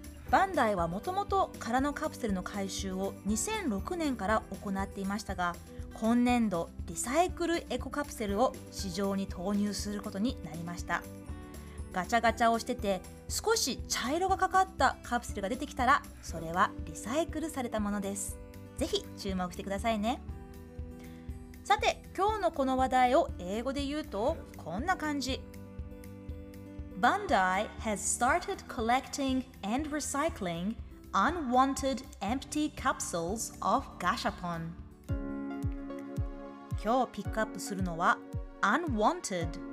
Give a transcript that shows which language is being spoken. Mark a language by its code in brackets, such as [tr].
[ja] バンダイはもともと空のカプセルの回収を2006年から行っていましたが、今年度リサイクルエコカプセルを市場に投入することになりました。ガチャガチャをしてて少し茶色がかかったカプセルが出てきたら、それはリサイクルされたものです。ぜひ注目してくださいね。さて今日のこの話題を英語で言うとこんな感じ。 [en] Bandai has started collecting and recycling unwanted empty capsules of Gashapon。 [ja] 今日ピックアップするのは unwanted。